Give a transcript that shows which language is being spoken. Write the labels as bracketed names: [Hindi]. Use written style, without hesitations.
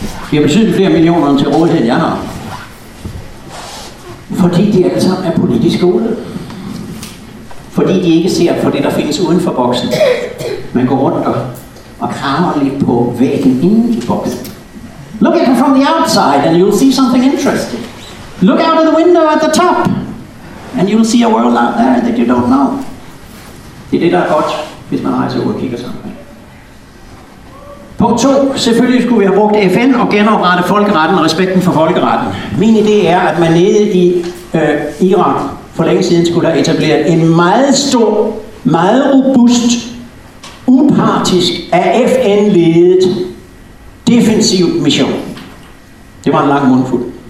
[Danish] Vi har betydeligt flere millioner til rådighed, end jeg har. Fordi de alle sammen er politisk gode. Fordi de ikke ser for det, der findes uden for boksen. Man går rundt og krammer lidt på væggen inden i boksen. [English] Look at it from the outside, and you'll see something interesting. Look out of the window at the top, and you'll see a world out there that you don't know. [Danish] Det er det, der er godt, hvis man rejser ud og kigger sammen. Punkt 2. Selvfølgelig skulle vi have brugt FN og genoprette folkeretten og respekten for folkeretten. Min idé er, at man nede i Irak for længe siden skulle have etableret en meget stor, meget robust, upartisk af FN-ledet defensiv mission. Det var en lang mundfuld.